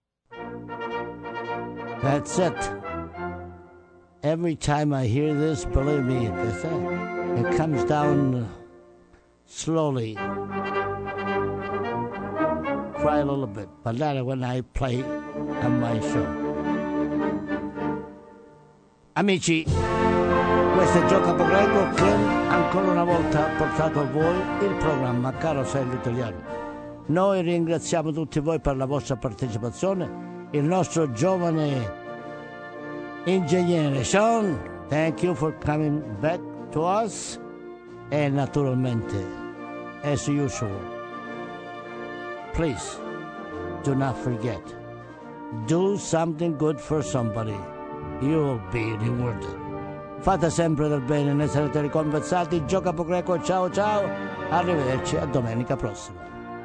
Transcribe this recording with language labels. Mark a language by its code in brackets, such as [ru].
[en] That's it. Every time I hear this, believe me, it comes down slowly. Cry a little bit, but not when I play on my show. [it] Amici, questo è Gioca per Greco che ancora una volta ha portato a voi il programma Caro Sello Italiano. Noi ringraziamo tutti voi per la vostra partecipazione. Il nostro giovane ingegnere Sean, [en] thank you for coming back to us. [it] E naturalmente, [en] as usual, please do not forget, do something good for somebody, you will be rewarded. [it] Fate sempre del bene, ne sarete ricompensati. Gioca Poco Greco, ciao ciao, arrivederci a domenica prossima.